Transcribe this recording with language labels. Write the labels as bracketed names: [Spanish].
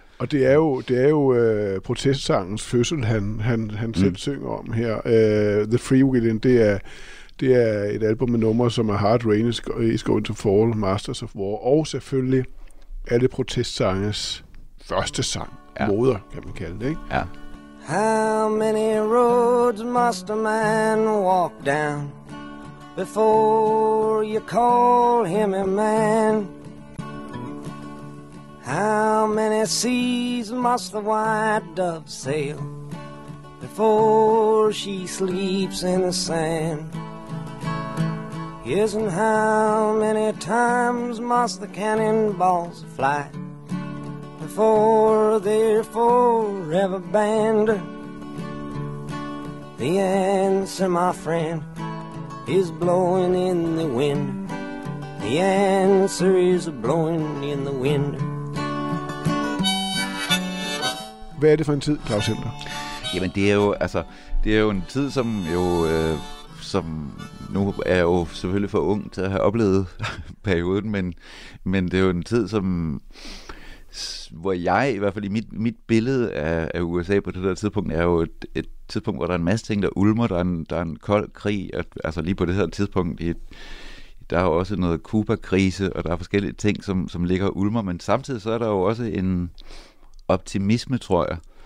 [Danish] Og det er jo protestsangens fødsel, han selv synger om her. The Freewheeling, det er et album med numre, som er Hard Rain is Going to Fall, Masters of War, og selvfølgelig er det protestsangens første sang. Ja. Moder, kan man kalde det, ikke? Ja. [English] How many roads must a man walk down before you call him a man? How many seas must the white dove sail before she sleeps in the sand? Yes, and how many times must the cannonballs fly before they're forever banned? The answer, my friend, is blowing in the wind. The answer is blowing in the wind. [Danish] Hvad er det for en tid, Claus Hempler? Jamen det er jo altså det er jo en tid, som jo som nu er jeg jo selvfølgelig for ung til at have oplevet perioden, men det er jo en tid, som hvor jeg i hvert fald i mit billede af USA på det der tidspunkt er jo et tidspunkt, hvor der er en masse ting, der ulmer, der er en kold krig, og, altså lige på det her tidspunkt der er jo også noget Cuba-krise, og der er forskellige ting, som ligger og ulmer, men samtidig så er der jo også en optimisme, tror jeg.